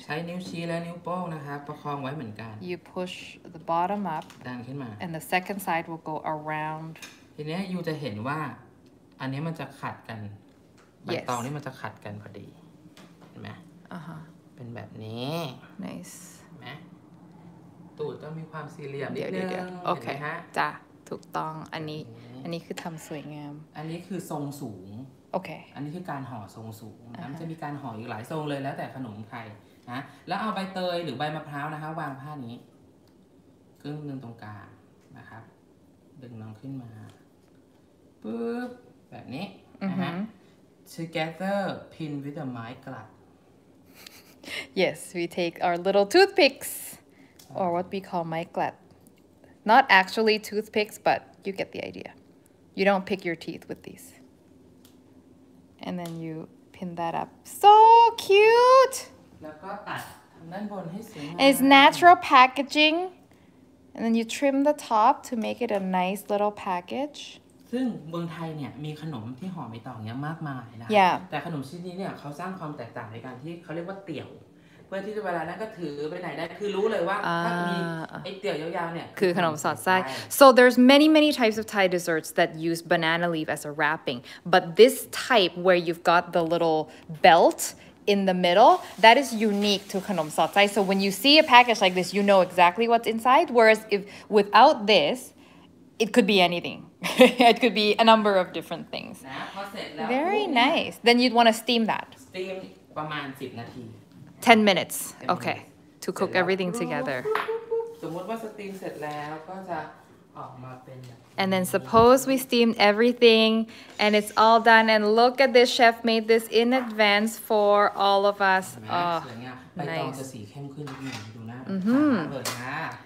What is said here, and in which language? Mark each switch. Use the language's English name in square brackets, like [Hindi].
[Thai] ใช้นิ้วชี้และนิ้วโป้งนะครับประคองไว้เหมือนกัน [English] You push the bottom up. [Thai] ดันขึ้นมา [English] And the second side will go around. [Thai] ทีนี้ยูจะเห็นว่าอันนี้มันจะขัดกันใบตองนี่มันจะขัดกันพอดีเห็นไหม [English] Uh-huh. [Thai] เป็นแบบนี้ [English] Nice. [Thai] เห็นไหมตูดต้องมีความสี่เหลี่ยมนิดนึง [English] Okay. [Thai] จ้าถูกต้องอันนี้คือทำสวยงาม อันนี้คือทรงสูง โอเค อันนี้คือการห่อทรงสูงนะ uh-huh. จะมีการห่ออยู่หลายทรงเลยแล้วแต่ขนมใครนะแล้วเอาใบเตยหรือใบมะพร้าวนะคะวางผ้านี้ครึ่งนึงตรงกลางนะครับดึงน้องขึ้นมาปุ๊บแบบนี้ นะฮะ [English] together pin with the mic glut yes we take our little toothpicks or what we call mic glutNot actually toothpicks, but you get the idea. You don't pick your teeth with these. And then you pin that up. So cute! And it's natural packaging. And then you trim the top to make it a nice little package. [Thai] ซึ่งเมืองไทยเนี่ยมีขนมที่ห่อใบตองเนี่ยมากมายนะ [English] Yeah. [Thai] แต่ขนมชิ้นนี้เนี่ยเขาสร้างความแตกต่างในการที่เขาเรียกว่าเตี่ยวเพื่อที่จะเวลานั้นก็ถือไปไหนได้คือรู้เลยว่าถ้ามีไอ้เตี๋ยวยาวๆเนี่ย คือขนมสอดไส้ [English] so there's many types of Thai desserts that use banana leaf as a wrapping but this type where you've got the little belt in the middle that is unique to ขนมสอดไส้ so when you see a package like this you know exactly what's inside whereas if without this it could be anything it could be a number of different things very nice then you'd want to steam that [Thai] steam ประมาณ10นาที [English] 10 minutes okay to cook everything together [Thai] สมมุติว่าสตรีมเสร็จแล้วก็จะออกมาเป็น [English] And then suppose we steamed everything and it's all done and look at this chef made this in advance for all of us [Thai] oh ใบตองจะสีเข้มขึ้นนิดนึงดูหน้า